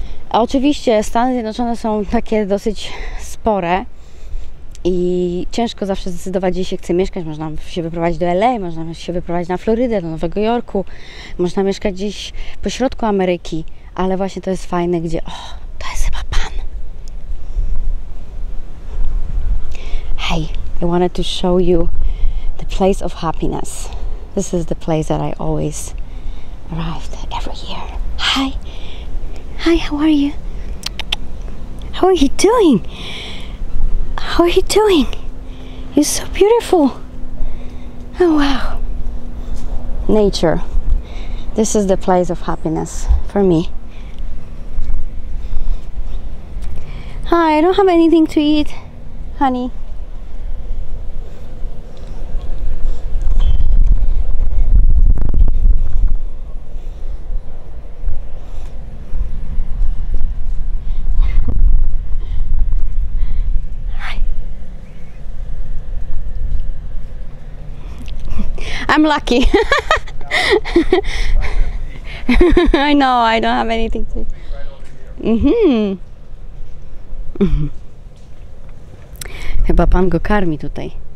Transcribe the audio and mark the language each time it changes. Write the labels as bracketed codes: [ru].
[pl] A oczywiście Stany Zjednoczone są takie dosyć spore i ciężko zawsze zdecydować, gdzie się chce mieszkać. Można się wyprowadzić do LA, można się wyprowadzić na Florydę, do Nowego Jorku. Można mieszkać gdzieś po środku Ameryki, ale właśnie to jest fajne, gdzie... O, to jest chyba pan. [en] Hey, I wanted to show you the place of happiness. This is the place that I always arrived every year. Hi. Hi, how are you? How are you doing? How are you doing? You're so beautiful. Oh, wow. Nature. This is the place of happiness for me. Hi, I don't have anything to eat, honey. I'm lucky. I know, I don't have anything to. [pl] Chyba pan go karmi tutaj.